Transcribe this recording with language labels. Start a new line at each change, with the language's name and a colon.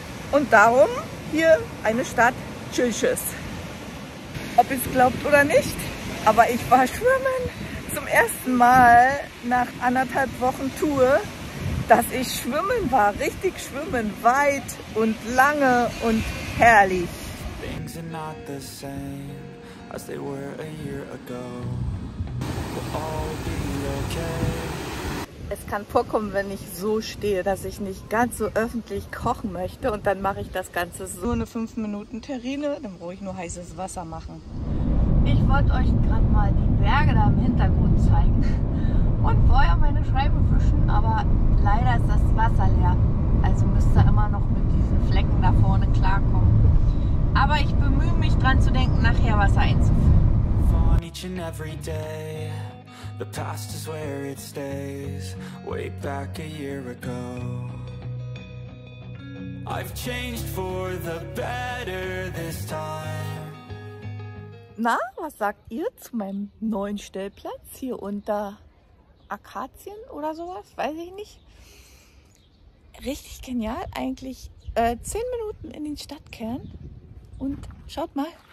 German: Und darum hier eine Stadt Chilches. Ob ihr es glaubt oder nicht, aber ich war schwimmen zum ersten Mal nach anderthalb Wochen Tour, dass ich schwimmen war, richtig schwimmen, weit und lange und herrlich.
English: Things are not the same as they were a year ago. We'll all be okay.
German: Es kann vorkommen, wenn ich so stehe, dass ich nicht ganz so öffentlich kochen möchte und dann mache ich das Ganze so eine 5 Minuten Terrine, dann brauche ich nur heißes Wasser machen. Ich wollte euch gerade mal die Berge da im Hintergrund zeigen und vorher meine Scheibe wischen, aber leider ist das Wasser leer. Also müsst ihr immer noch mit diesen Flecken da vorne klarkommen. Aber ich bemühe mich dran zu denken, nachher Wasser einzufüllen.
English: Von each and every day, the past is where it stays, way back a year ago. I've changed for the better this time.
German: Na, was sagt ihr zu meinem neuen Stellplatz hier unter Akazien oder sowas, weiß ich nicht. Richtig genial eigentlich. 10 Minuten in den Stadtkern und schaut mal.